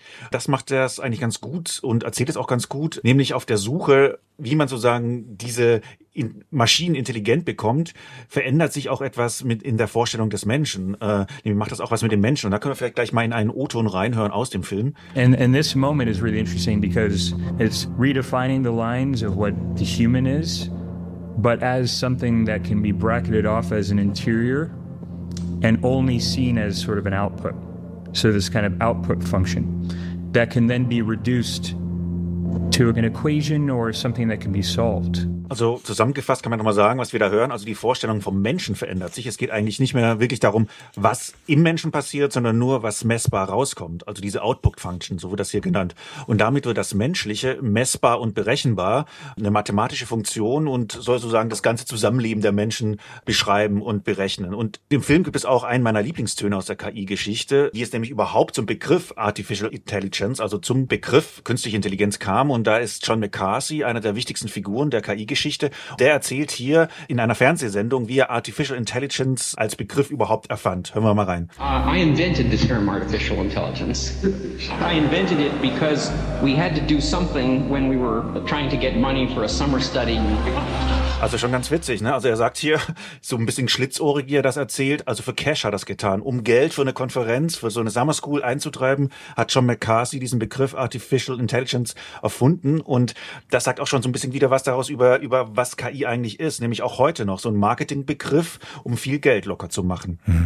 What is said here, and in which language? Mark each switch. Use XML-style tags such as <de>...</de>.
<de>Das macht er es eigentlich ganz gut und erzählt es auch ganz gut, nämlich auf der Suche, wie man sozusagen diese Maschinen intelligent bekommt, verändert sich auch etwas mit in der Vorstellung des Menschen. Nämlich macht das auch was mit dem Menschen. Und da können wir vielleicht gleich mal in einen O-Ton reinhören aus dem Film.</de> <en>And this moment is really interesting because it's redefining the lines of what the human is, but as something that can be bracketed off as an interior and only seen as sort of an output. So this kind of output function that can then be reduced to an equation or something that can be solved.</en> <de>Also zusammengefasst kann man nochmal sagen, was wir da hören. Also die Vorstellung vom Menschen verändert sich. Es geht eigentlich nicht mehr wirklich darum, was im Menschen passiert, sondern nur, was messbar rauskommt. Also diese Output-Function, so wird das hier genannt. Und damit wird das Menschliche messbar und berechenbar, eine mathematische Funktion und soll sozusagen das ganze Zusammenleben der Menschen beschreiben und berechnen. Und im Film gibt es auch einen meiner Lieblingstöne aus der KI-Geschichte, wie es nämlich überhaupt zum Begriff Artificial Intelligence, also zum Begriff Künstliche Intelligenz kam. Und da ist John McCarthy einer der wichtigsten Figuren der KI-Geschichte. Geschichte. Der erzählt hier in einer Fernsehsendung, wie er Artificial Intelligence als Begriff überhaupt erfand. Hören wir mal rein.</de> <en>I invented the term Artificial Intelligence. I invented it because we had to do something when we were trying to get money for a summer study.</en> <de>Also schon ganz witzig, ne? Also er sagt hier, so ein bisschen schlitzohrig, wie er das erzählt, also für Cash hat er das getan. Um Geld für eine Konferenz, für so eine Summer School einzutreiben, hat John McCarthy diesen Begriff Artificial Intelligence erfunden. Und das sagt auch schon so ein bisschen wieder was daraus über über was KI eigentlich ist, nämlich auch heute noch, so ein Marketingbegriff, um viel Geld locker zu machen.</de>